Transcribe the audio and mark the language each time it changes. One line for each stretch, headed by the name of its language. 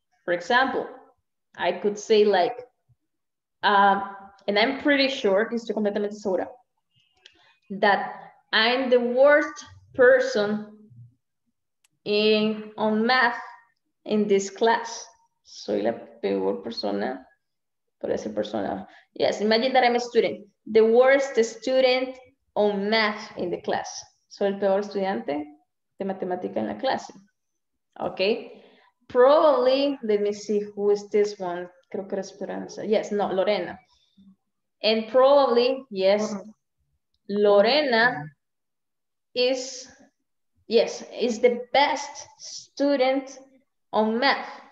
English: For example, I could say like, and I'm pretty sure,
Spanish: estoy completamente segura,
English: that I'm the worst person in on math in this class.
Spanish: Soy la peor persona, por esa persona.
English: Yes, imagine that I'm a student. The worst student on math in the class.
Spanish: Soy el peor estudiante de matemática en la clase.
English: Okay. Probably, let me see who is this one.
Spanish: Creo que era Esperanza.
English: Yes, no, Lorena. And probably, yes, Lorena is, yes, is the best student on math.